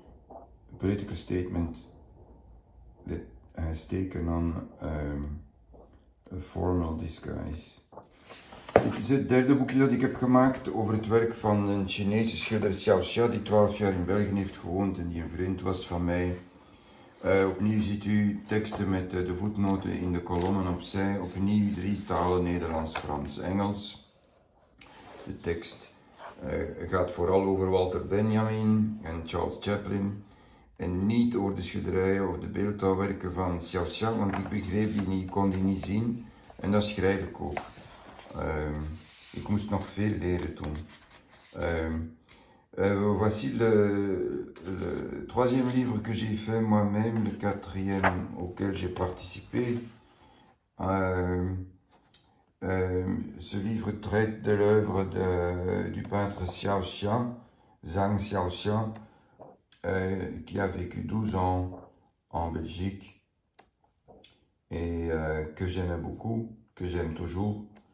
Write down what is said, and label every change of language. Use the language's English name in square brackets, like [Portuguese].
[English] A political statement that has taken on a formal disguise. [Dutch] Dit is het derde boekje dat ik heb gemaakt over het werk van een Chinese schilder, Xiao Xia, die 12 jaar in België heeft gewoond en die een vriend was van mij. Opnieuw ziet u teksten met de voetnoten in de kolommen opzij. Opnieuw drie talen, Nederlands, Frans, Engels. De tekst gaat vooral over Walter Benjamin en Charles Chaplin en niet over de schilderijen of de beeldhouwwerken van Xiao Xia, want ik begreep die niet, ik kon die niet zien en dat schrijf ik ook. Ik moest nog veel leren toen. [French] Voici le troisième livre que j'ai fait moi-même, le quatrième auquel j'ai participé. Ce livre traite de l'œuvre du peintre Xiao Xia, Zhang Xiao Xia, qui a vécu 12 ans en Belgique et que j'aime beaucoup, que j'aime toujours.